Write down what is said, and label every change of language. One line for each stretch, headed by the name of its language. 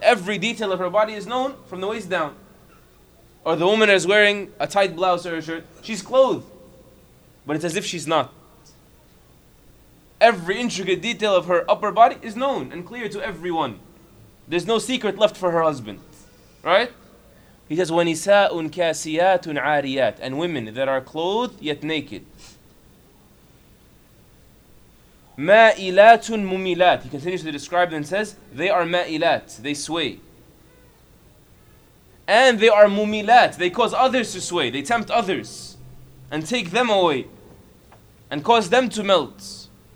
English: Every detail of her body is known from the waist down. Or the woman is wearing a tight blouse or a shirt. She's clothed. But it's as if she's not. Every intricate detail of her upper body is known and clear to everyone. There's no secret left for her husband. Right? He says,
Arabic: وَنِسَاءٌ كَاسِيَاتٌ عَارِيَاتٌ.
English: And women that are clothed yet naked.
Arabic: مَائِلَاتٌ مُمِيلَاتٌ.
English: He continues to describe them and says, they are ma'ilat, they sway. And they are mumilat, they cause others to sway, they tempt others, and take them away, and cause them to melt.